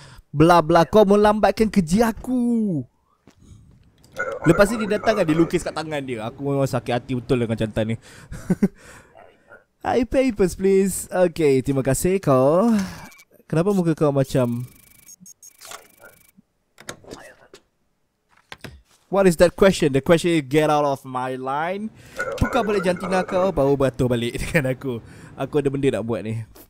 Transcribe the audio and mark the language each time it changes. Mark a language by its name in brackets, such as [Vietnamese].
[Malay] Blah-blah. Kau melambatkan kerja aku. Lepas ni dia datang kan, dia lukis kat tangan dia. Aku memang sakit hati betul dengan jantan ni. [English] Hi, papers please. Okay, [Malay] terima kasih kau. Kenapa muka kau macam, [English] what is that question? The question is get out of my line. [Malay] Tukar balik jantina kau, baru batu balik dengan aku. Aku ada benda nak buat ni.